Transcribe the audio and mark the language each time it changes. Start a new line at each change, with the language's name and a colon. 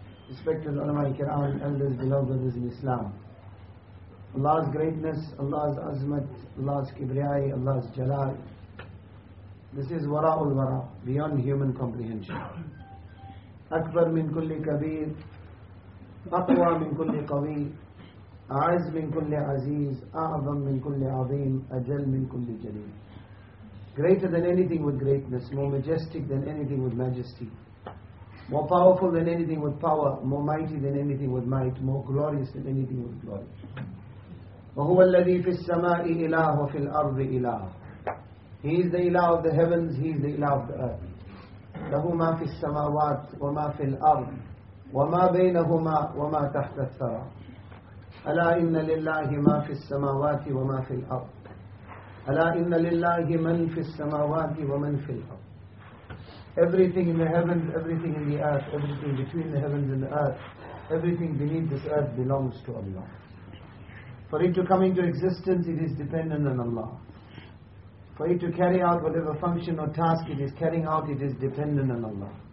English: Respected علماء الكرام, elders, beloved brothers in Islam, Allah's greatness, Allah's azmat, Allah's kibriyai, Allah's jalal, this is wara'ul wara, beyond human comprehension.
Arabic: Akbar min kulli kabir, أقوى من كل قوي، أعز من كل عزيز، أعظم من كل عظيم، أجل من كل جليل.
English: Greater than anything with greatness, more majestic than anything with majesty, more powerful than anything with power, more mighty than anything with might, more glorious than anything with glory.
Arabic: وهو الذي في السماء إله وفي الأرض إله.
English: He is the إله of the heavens, He is the إله of the earth.
Arabic: له ما في السماوات وما في الأرض وما بينهما وما تحت الثرى. ألا إن لله ما في السماوات وما في الأرض. ألا إن لله من في السماوات ومن في الأرض.
English: Everything in the heavens, everything in the earth, everything between the heavens and the earth, everything beneath this earth belongs to Allah. For it to come into existence, it is dependent on Allah. For it to carry out whatever function or task it is carrying out, it is dependent on Allah.